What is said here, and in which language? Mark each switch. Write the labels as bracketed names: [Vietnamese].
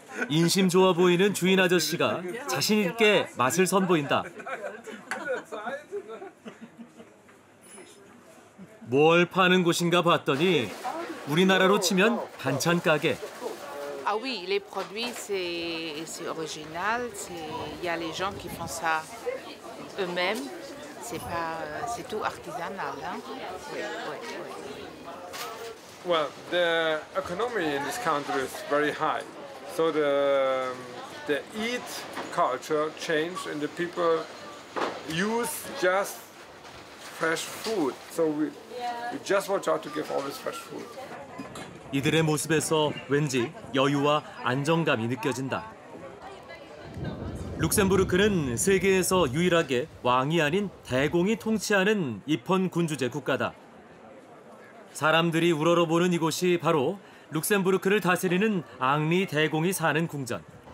[Korean] 인심 좋아 보이는 주인 아저씨가 자신 있게 맛을 선보인다. 뭘 파는 곳인가 봤더니 우리나라로 치면 반찬 가게. [French] Ah oui, les produits c'est original, il y a les gens qui font ça eux-mêmes. C'est tout artisanal, hein? Oui. [English] Well, the economy in this country is very high. So the eat culture changed and the people use just fresh food. So we just watch out to give always fresh food. [Korean] 이들의 모습에서 왠지 여유와 안정감이 느껴진다. 룩셈부르크는 세계에서 유일하게 왕이 아닌 대공이 통치하는 입헌군주제 국가다. 사람들이 우러러보는 이곳이 바로 룩셈부르크를 다스리는 앙리 대공이 사는 궁전.